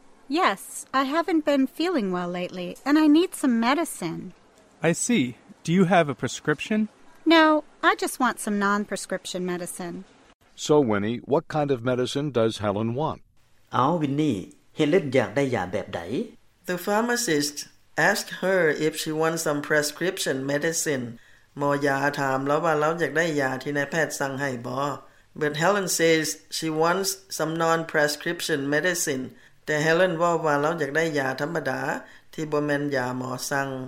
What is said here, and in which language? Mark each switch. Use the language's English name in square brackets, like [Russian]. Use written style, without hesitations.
[English] Yes, I haven't been feeling well lately and I need some medicine. I see. Do you have a prescription? No, I just want some non-prescription medicine. So Winnie, what kind of medicine does Helen want? [Northeastern Thai] เอาวินนี่Helen อยากได้ยาแบบใด [English] The pharmacist asked her if she wants some prescription medicine. [Northeastern Thai] หมอยาถามแล้วว่าเราอยากได้ยาที่นายแพทย์สั่งให้บ่ [English] But Helen says she wants some non-prescription medicine. [Northeastern Thai] แต่ Helen ว่าว่าเราอยากได้ยาธรรมดาที่บ่แม่นยาหมอสั่ง